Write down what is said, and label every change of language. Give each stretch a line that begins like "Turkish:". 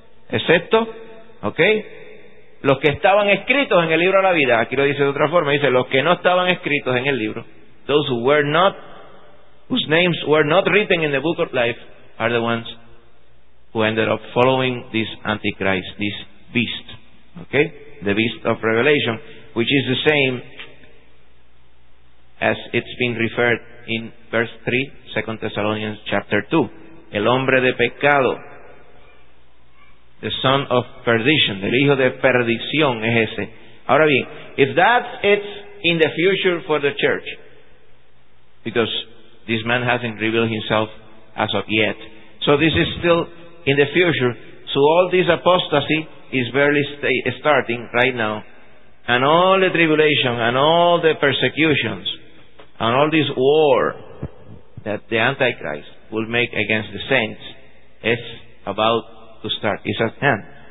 Spanish: Excepto, ¿ok? Los que estaban escritos en el libro de la vida. Aquí lo dice de otra forma. Dice, los que no estaban escritos en el libro.
English: Those who were not, whose names were not written in the book of life, are the ones who ended up following this Antichrist, this beast. Okay? The beast of Revelation, which is the same as it's been referred in verse 3, 2 Thessalonians chapter 2.
Spanish: El hombre de pecado,
English: the son of perdition,
Spanish: el hijo de perdición es ese. Ahora bien,
English: if that it's in the future for the church, because this man hasn't revealed himself as of yet, so this is still in the future, so all this apostasy is barely starting right now, and all the tribulation and all the persecutions and all this war that the Antichrist will make against the saints is about to start. It's at hand.